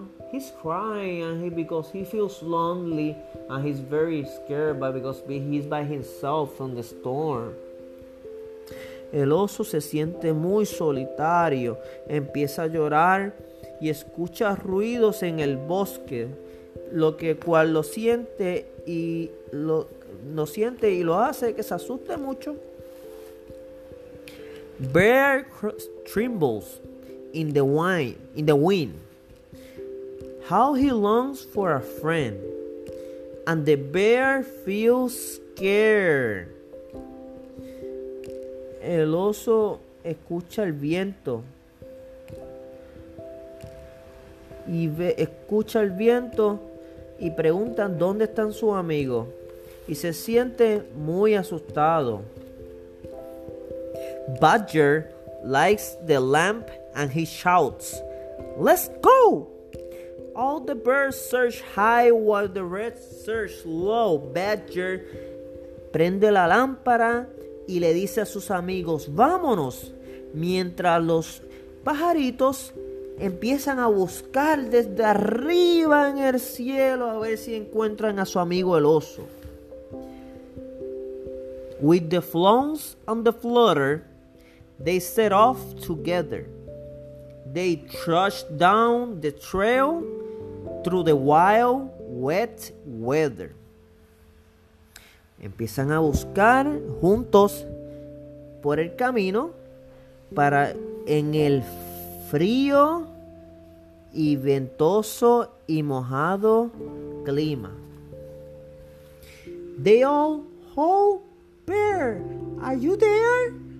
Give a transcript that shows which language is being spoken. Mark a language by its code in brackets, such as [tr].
[en] He's crying, and because he feels lonely, and he's very scared, but because he's by himself from the storm. [es] El oso se siente muy solitario, empieza a llorar y escucha ruidos en el bosque, lo que cual lo siente y lo hace que se asuste mucho. [en] Bear trembles in the wind. How he longs for a friend, and the bear feels scared. [es] El oso escucha el viento. Y pregunta dónde están sus amigos. Y se siente muy asustado. [en] Badger lights the lamp and he shouts, "Let's go!" All the birds search high while the rats search low. [es] Badger prende la lámpara y le dice a sus amigos, "Vámonos." Mientras los pajaritos empiezan a buscar desde arriba en el cielo a ver si encuentran a su amigo el oso. [en] With the flowns and the flutter, they set off together. They trudge down the trail through the wild, wet weather. [es] Empiezan a buscar juntos por el camino para en el frío y ventoso y mojado clima. [en] They all hold bear. Are you there?